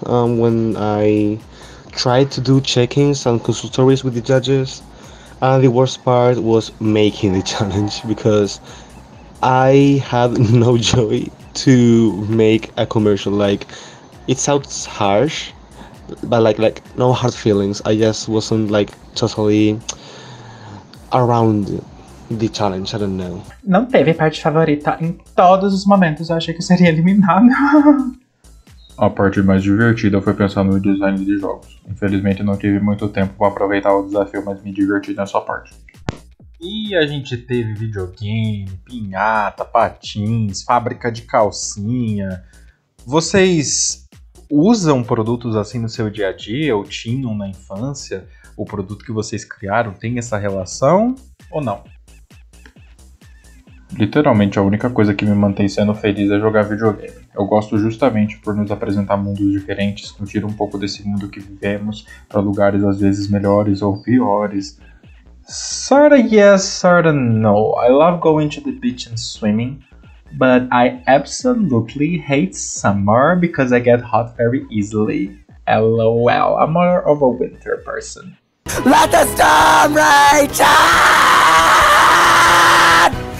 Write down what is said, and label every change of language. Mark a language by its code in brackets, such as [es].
[en] When I tried to do check-ins and consultories with the judges, and the worst part was making the challenge because I had no joy to make a commercial. Like, it sounds harsh, but like no hard feelings. I just wasn't like totally around the challenge, I don't know. [pt] Não teve parte favorita em todos os momentos, eu achei que seria eliminado. A parte mais divertida foi pensar no design de jogos. Infelizmente não tive muito tempo para aproveitar o desafio, mas me diverti nessa parte. E a gente teve videogame, pinhata, patins, fábrica de calcinha. Vocês usam produtos assim no seu dia a dia ou tinham na infância? O produto que vocês criaram tem essa relação ou não? Literalmente a única coisa que me mantém sendo feliz é jogar videogame. Eu gosto justamente por nos apresentar mundos diferentes, nos tirar um pouco desse mundo que vivemos para lugares às vezes melhores ou piores. [en] Sorta yes, sorta no. I love going to the beach and swimming, but I absolutely hate summer because I get hot very easily. LOL, I'm more of a winter person. Let the storm rage on!